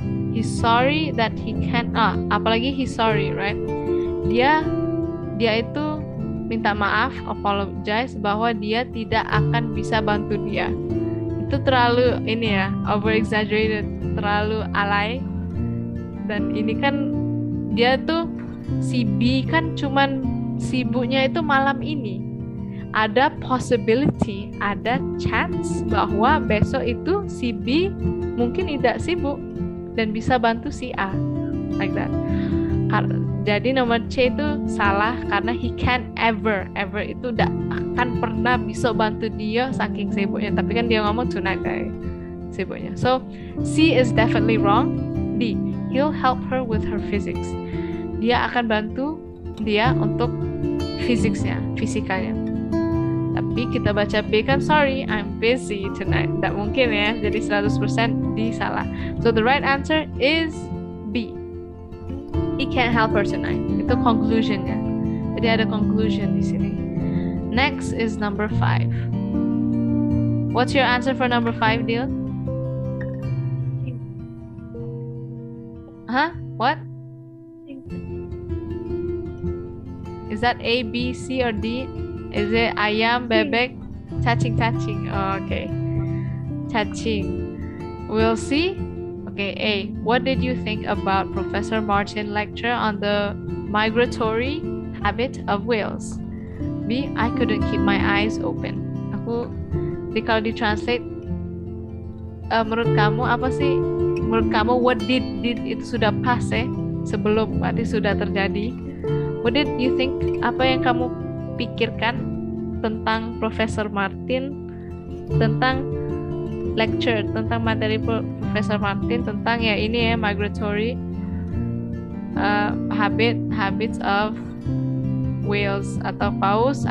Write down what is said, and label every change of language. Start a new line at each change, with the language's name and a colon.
English: He's sorry that he can't, apalagi he's sorry, right?
Indonesian: Dia itu minta maaf, apologize, bahwa dia tidak akan bisa bantu dia. Itu terlalu, ini ya, over-exaggerated, terlalu alay. Dan ini kan, dia tuh, si B kan cuman sibuknya itu malam ini. Ada possibility, ada chance bahwa besok itu si B mungkin tidak sibuk dan bisa bantu si A.
English: Like that.
Indonesian: Jadi nomor C itu salah karena
English: he can't ever
Indonesian: itu tidak akan pernah bisa bantu dia saking sibuknya. Tapi kan dia ngomong tonight kayak sibuknya.
English: So, C is definitely wrong.
Indonesian: D,
English: he'll help her with her physics.
Indonesian: Dia akan bantu dia untuk physics-nya, fisikanya. Tapi kita baca B kan,
English: sorry, I'm busy tonight.
Indonesian: Tidak mungkin ya, jadi 100% D salah.
English: So, the right answer is B. He can't help her tonight.
Indonesian: Itu conclusionnya. Jadi ada conclusion di sini.
English: Next is number 5. What's your answer for number 5, Dil? Huh? What? Is that A, B, C, or D? Is it
Indonesian: ayam, bebek, cacing?
English: Oh, okay.
Indonesian: Cacing.
English: We'll see. Okay, A, what did you think about Professor Martin's lecture on the migratory habit of whales? B, I couldn't keep my eyes open.
Indonesian: Aku, jadi kalau ditranslate, menurut kamu apa sih? Menurut kamu, what did itu sudah pas ya? Sebelum, berarti sudah terjadi.
English: What did you think,
Indonesian: apa yang kamu pikirkan tentang Professor Martin, tentang lecture, tentang materi Professor Martin tentang ya ini ya
English: migratory habits of whales
Indonesian: atau paus.